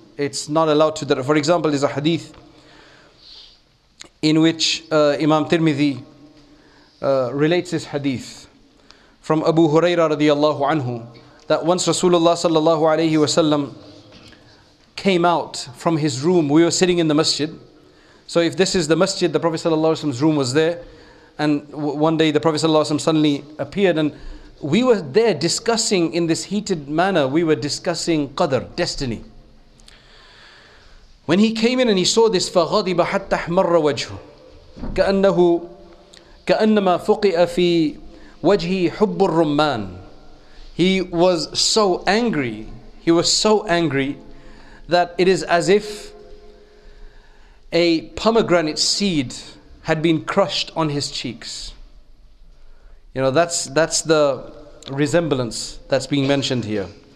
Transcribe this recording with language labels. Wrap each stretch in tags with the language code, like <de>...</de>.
<en>It's not allowed to. For example, there's a hadith in which Imam Tirmidhi relates this hadith from Abu Huraira radiallahu anhu, that once Rasulullah sallallahu alayhi wasallam came out from his room. We were sitting in the masjid. So if this is the masjid, the Prophet sallallahu alayhi wasallam's room was there. And one day the Prophet sallallahu alayhi wasallam suddenly appeared, and we were there discussing in this heated manner. We were discussing Qadr, destiny. When he came in and he saw this,</en> <ar>فَغَضِبَ حَتَّ حَمَرَّ وَجْهُ كَأَنَّهُ كَأَنَّمَا فُقِئَ فِي وَجْهِ حُبُّ الرُّمَّانِ.</ar> <en>He was so angry. He was so angry that it is as if a pomegranate seed had been crushed on his cheeks. You know, that's the resemblance that's being mentioned here.</en>